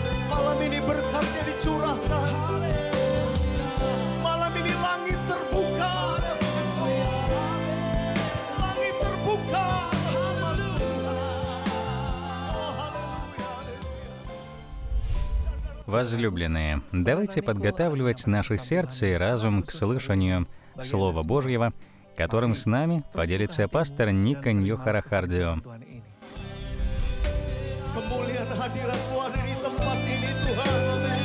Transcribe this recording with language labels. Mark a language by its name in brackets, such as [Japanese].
[Indonesian] Malam ini berkatnya dicurahkan. Malam ini langit terbuka atas kesayangan. Langit terbuka atas Tuhan. Oh, haleluya, haleluya. [Russian] Возлюбленные, давайте подготавливать наше сердце и разум к слышанию Слова Божьего, которым с нами поделится пастор Ника Ньюхарахардио. [Indonesian] Kemuliaan hadirat-Mu ada di tempat ini Tuhan.